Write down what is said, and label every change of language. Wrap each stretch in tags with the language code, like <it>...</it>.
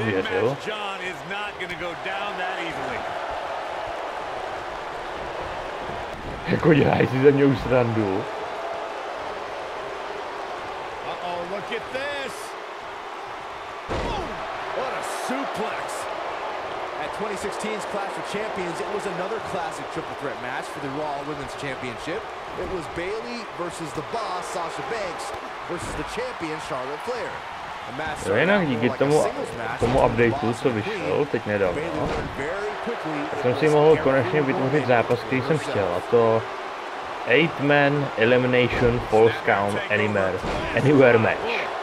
<en>Big Match John is not going to go down that easily.</en> <cs>Jako dělají si ze mě už srandu.</cs> <en>Uh-oh, look at this. Boom! What a suplex. At 2016's Clash of Champions, it was another classic triple threat match for the Raw Women's Championship. It was Bayley versus the boss, Sasha Banks, versus the champion, Charlotte Flair.</en> <cs>To je jinak díky tomu updateu, co vyšel teď nedávno, tak jsem si mohl konečně vytvořit zápas, který jsem chtěl, a to 8 Man Elimination False Count Anywhere Match.</cs>